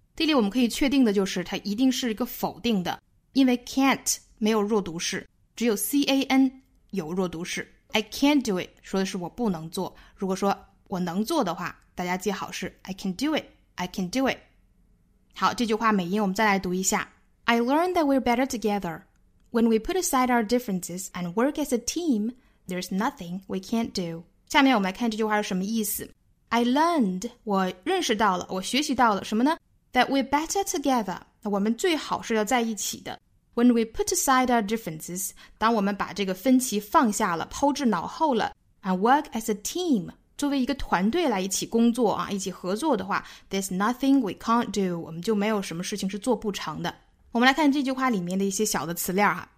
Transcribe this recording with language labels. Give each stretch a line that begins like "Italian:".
Chinese: 这里我们可以确定的就是它一定是一个否定的，因为 can't 没有弱读式，只有 can 有弱读式。
English: I can do it
Chinese: 说的是我不能做，如果说我能做的话，大家记好是 I can do it。I can do it. 好，这句话美音我们再来读一下。
English: I learned that we're better together. When we put aside our differences and work as a team, there's nothing we can't do.
Chinese: 下面我们来看这句话是什么意思。
English: I learned,
Chinese: 我认识到了，我学习到了什么呢？
English: That we're better together,
Chinese: 我们最好是要在一起的。
English: When we put aside our differences,
Chinese: 当我们把这个分歧放下了，抛至脑后了
English: and work as a team,
Chinese: 作为一个团队来一起工作啊，一起合作的话
English: There's nothing we can't do
Chinese: 我们就没有什么事情是做不成的我们来看这句话里面的一些小的词链啊。